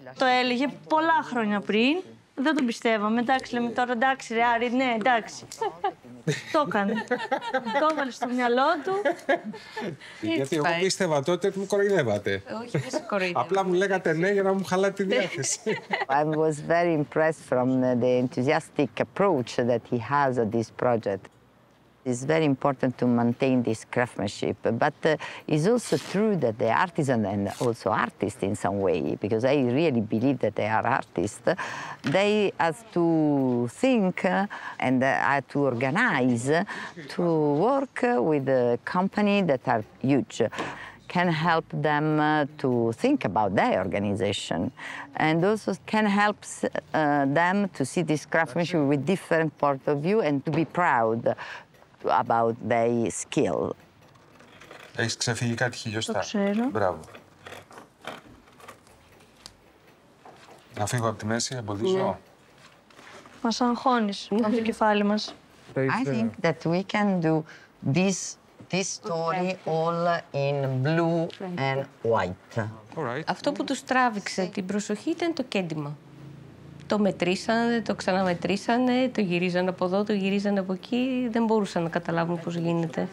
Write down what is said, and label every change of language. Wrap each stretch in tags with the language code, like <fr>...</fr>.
<el>Το έλεγε πολλά χρόνια πριν. Δεν τον πιστεύαμε, εντάξει, λέμε τώρα, εντάξει, ρε Άρη, ναι, εντάξει. Το έκανε. Το έβαλε στο μυαλό του. Γιατί εγώ πίστευα τότε ότι μου κοροϊδεύατε. Όχι, δεν σε κοροϊδεύατε. Απλά μου λέγατε ναι για να μου χαλάτε τη διάθεση.</el> <en>I was very impressed from the enthusiastic approach that he has at this project. It's very important to maintain this craftsmanship, but it's also true that the artisan and also artist in some way, because I really believe that they are artists, they have to think and have to organize to work with a company that are huge, can help them to think about their organization, and also can help them to see this craftsmanship with different point of view and to be proud about their skill.</en> <el>Έχεις ξεφύγει κάτι χιλιοστά. Το ξέρω. Μπράβο. Να φύγω από τη μέση, εμποδίζω.</el> <en>Yeah.</en> <el>Μας αγχώνεις από το κεφάλι μας.</el> <en>I think that we can do this story all in blue and white. All right.</en> <el>Αυτό που τους τράβηξε την προσοχή ήταν το κέντημα. Το μετρήσανε, το ξαναμετρήσανε, το γυρίζανε από εδώ, το γυρίζανε από εκεί. Δεν μπορούσαν να καταλάβουν πώς γίνεται.</el>